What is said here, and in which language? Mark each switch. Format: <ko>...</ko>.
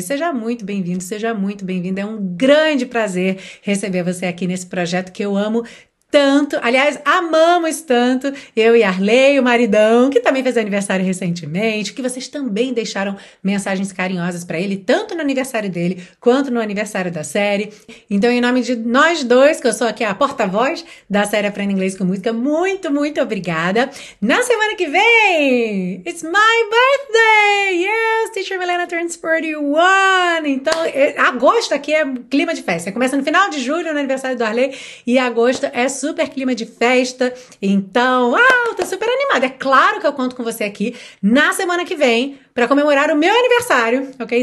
<pt>Seja muito bem-vindo. É um grande prazer receber você aqui nesse projeto que eu amo tanto, aliás, amamos tanto, eu e Arley, o maridão, que também fez aniversário recentemente, que vocês também deixaram mensagens carinhosas para ele, tanto no aniversário dele, quanto no aniversário da série. Então, em nome de nós dois, que eu sou aqui a porta-voz da série Aprenda Inglês com Música, muito obrigada. Na semana que vem,</pt> <en>it's my birthday! Yes, Teacher Milena turns 41!</en> <pt>Então, agosto aqui é clima de festa, começa no final de julho, no aniversário do Arley, e agosto é super clima de festa, então, tô super animada. É claro que eu conto com você aqui na semana que vem para comemorar o meu aniversário, ok?</pt>